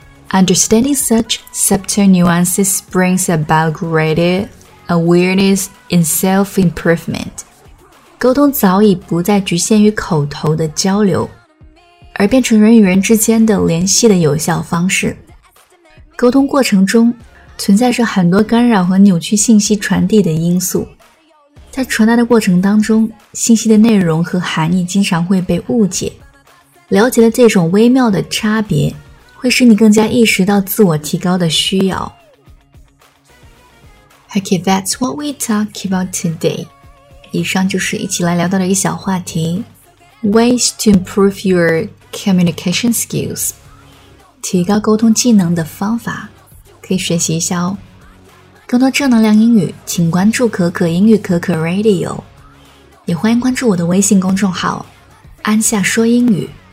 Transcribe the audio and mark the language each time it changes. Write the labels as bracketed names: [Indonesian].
[English] Understanding such subtle nuances brings about greater awareness in self-improvement. [Chinese] 沟通早已不再局限于口头的交流，而变成人与人之间的联系的有效方式。沟通过程中存在着很多干扰和扭曲信息传递的因素，在传达的过程当中，信息的内容和含义经常会被误解。了解了这种微妙的差别，会使你更加意识到自我提高的需要。 [English] Okay, that's what we talk about today. [Chinese] 以上就是一起来聊到的一小话题。 [English] Ways to improve your communication skills. [Chinese] 提高沟通技能的方法，可以学习一下哦。更多正能量英语，请关注可可英语可可 Radio。也欢迎关注我的微信公众号，安夏说英语。